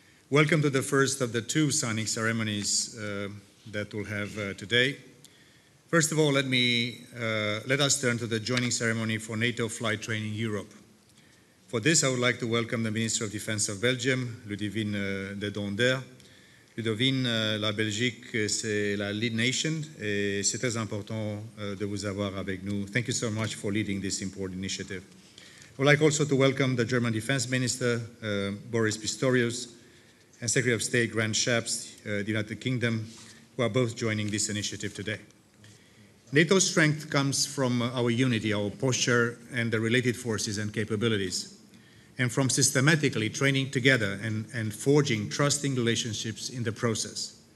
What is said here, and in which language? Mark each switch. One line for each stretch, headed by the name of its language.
English: Welcome to the first of the two signing ceremonies that we'll have today. First of all, let us turn to the joining ceremony for NATO flight training Europe. For this, I would like to welcome the Minister of Defense of Belgium, Ludivine de Donder.
French: Ludivine, la Belgique, c'est la lead nation, et c'est très important de vous avoir avec nous.
English: Thank you so much for leading this important initiative. I would like also to welcome the German Defense Minister, Boris Pistorius, and Secretary of State, Grand Chaps, the United Kingdom, who are both joining this initiative today. NATO's strength comes from our unity, our posture, and the related forces and capabilities, and from systematically training together and forging trusting relationships in the process.